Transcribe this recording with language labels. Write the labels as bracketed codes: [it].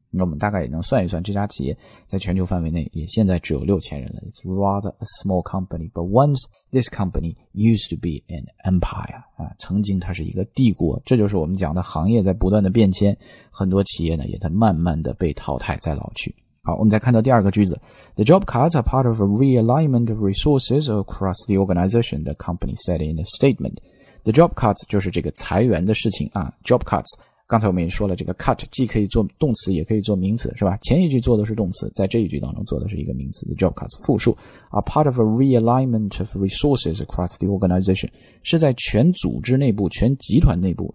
[zh] 那我们大概也能算一算这家企业在全球范围内也现在只有6000人了。 [en] It's rather a small company, but once this company used to be an empire, [zh] 曾经它是一个帝国，这就是我们讲的行业在不断的变迁，很多企业呢也在慢慢的被淘汰在老去。好，我们再看到第二个句子。 [en] The job cuts are part of a realignment of resources across the organization, the company said in a statement. The job cuts [zh] 就是这个裁员的事情啊。 [en] Job cuts, [zh] 刚才我们也说了这个 cut 既可以做动词也可以做名词，是吧？前一句做的是动词，在这一句当中做的是一个名词。 [en] The job cuts, [zh] 复数 [en] are part of a realignment of resources across the organization, [zh] 是在全组织内部，全集团内部。